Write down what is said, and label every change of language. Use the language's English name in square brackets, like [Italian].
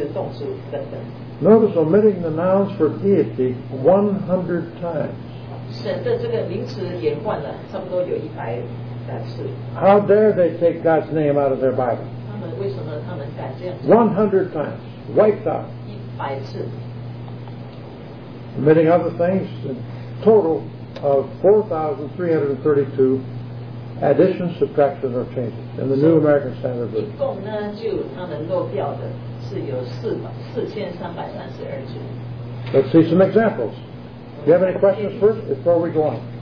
[Chinese] 它们漏掉了那些名词、动词等等。 [English] Notice omitting the nouns for deity 100 times. [Chinese] 省的这个名词也换了差不多有100次。 [English] How dare they take God's name out of their Bible? [Chinese] 他们为什么他们敢这样子? [English] 100 times, wiped out. [Chinese] 100次。 [English] Omitting other things, total. Of 4,332 additions, subtractions, or changes in the New American Standard Version. [Chinese] 一共呢，就他们漏掉的是有四千三百三十二句。 [English] Let's see some examples. Do you have any questions first before we go on?